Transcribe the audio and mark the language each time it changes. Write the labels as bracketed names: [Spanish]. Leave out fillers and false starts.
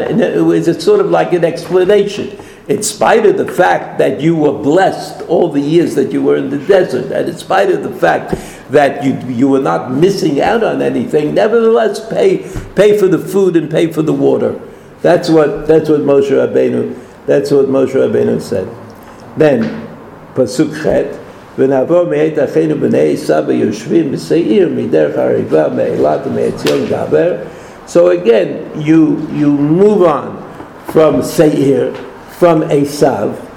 [English] And it's sort of like an explanation. In spite of the fact that you were blessed all the years that you were in the desert, and in spite of the fact that you were not missing out on anything, nevertheless, pay for the food and pay for the water. That's what Moshe Rabbeinu said. Then, Pasuk Chet, [Hebrew] ונעבור מעת אחינו בני סבא יושבים בסעיר מדרך הריבה מאילת ומעציון גבר. [English] So again, you move on from Seir, from Esav.